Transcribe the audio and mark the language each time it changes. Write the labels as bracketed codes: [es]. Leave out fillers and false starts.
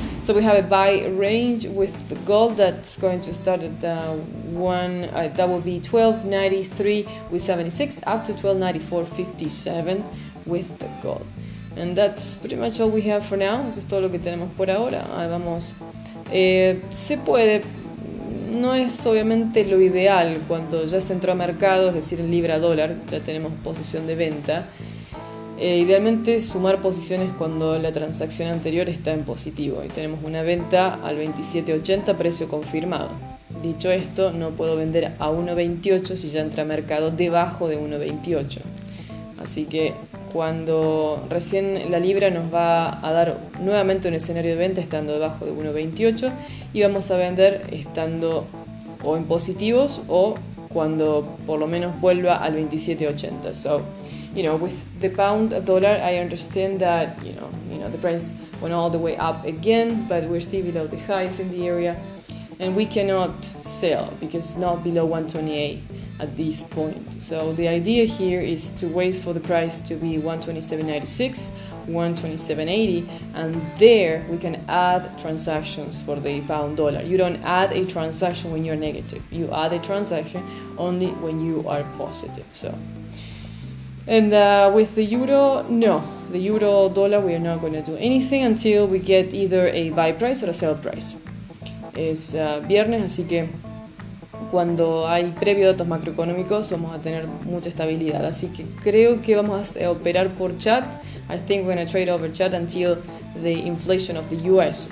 [en] So we have a buy range with the gold that's going to start at that will be 1293.76 up to 1294.57 with the gold. And that's pretty much all we have for now. [es] Eso es todo lo que tenemos por ahora. Ahí vamos. Se puede, no es obviamente lo ideal cuando ya se entró a mercado, es decir, en libra dólar, ya tenemos posición de venta. Idealmente sumar posiciones cuando la transacción anterior está en positivo y tenemos una venta al 27.80, precio confirmado. Dicho esto, no puedo vender a 1.28 si ya entra a mercado debajo de 1.28. Así que cuando recién la libra nos va a dar nuevamente un escenario de venta estando debajo de 1.28 y vamos a vender estando o en positivos o cuando por lo menos vuelva al 27.80. [en] So, you know, with the pound dollar, I understand that, you know, the price went all the way up again, but we're still below the highs in the area and we cannot sell because it's not below 1.28. At this point. So the idea here is to wait for the price to be 127.96, 127.80, and there we can add transactions for the pound dollar. You don't add a transaction when you're negative. You add a transaction only when you are positive. So, and with the euro, no. The euro dollar, we are not going to do anything until we get either a buy price or a sell price. [es] Es viernes, así que cuando hay previo datos macroeconómicos vamos a tener mucha estabilidad, así que creo que vamos a operar por chat. [en] I think we're going to trade over chat until the inflation of the US.